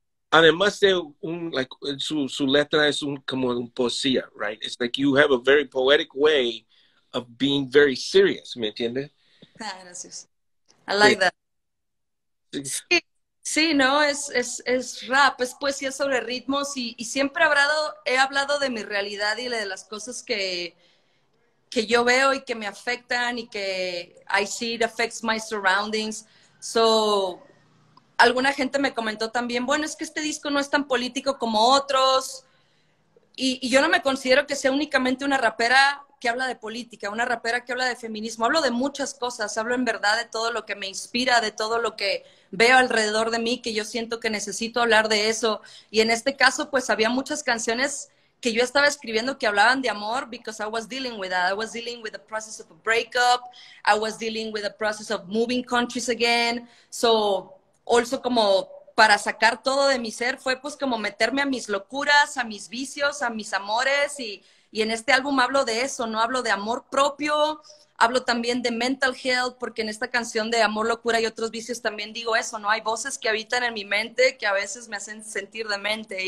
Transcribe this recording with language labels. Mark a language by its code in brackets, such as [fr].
[es] Además de su letra es como un poesía, right? [en] It's like you have a very poetic way of being very serious, [es] ¿me entiendes? [en] Gracias. I like that. [es] Sí, ¿no? Es rap, es poesía sobre ritmos, y siempre he hablado de mi realidad y de las cosas que yo veo y que me afectan y que [en] I see it affects my surroundings. [es] So, alguna gente me comentó también, bueno, es que este disco no es tan político como otros. Y yo no me considero que sea únicamente una rapera que habla de política, una rapera que habla de feminismo. Hablo de muchas cosas, hablo en verdad de todo lo que me inspira, de todo lo que veo alrededor de mí, que yo siento que necesito hablar de eso. Y en este caso, pues había muchas canciones que yo estaba escribiendo que hablaban de amor, [en] because I was dealing with that. I was dealing with the process of a breakup. I was dealing with the process of moving countries again. [es] So, also como para sacar todo de mi ser, fue pues como meterme a mis locuras, a mis vicios, a mis amores. Y en este álbum hablo de eso, no hablo de amor propio, hablo también de mental health, porque en esta canción de amor, locura y otros vicios también digo eso, ¿no? Hay voces que habitan en mi mente que a veces me hacen sentir demente.